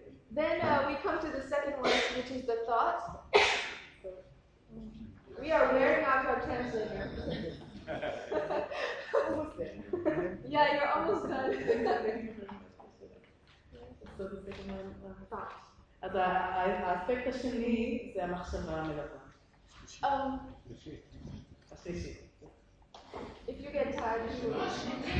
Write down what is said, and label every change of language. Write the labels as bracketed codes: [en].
[en] Then we come to the second one, which is the thought. We are wearing out our translator. Yeah, you're almost done. So the second one, thought. [he] Aspect השני זה המחשבה המלווה. השלישי. [en] If you get tired, you should watch me.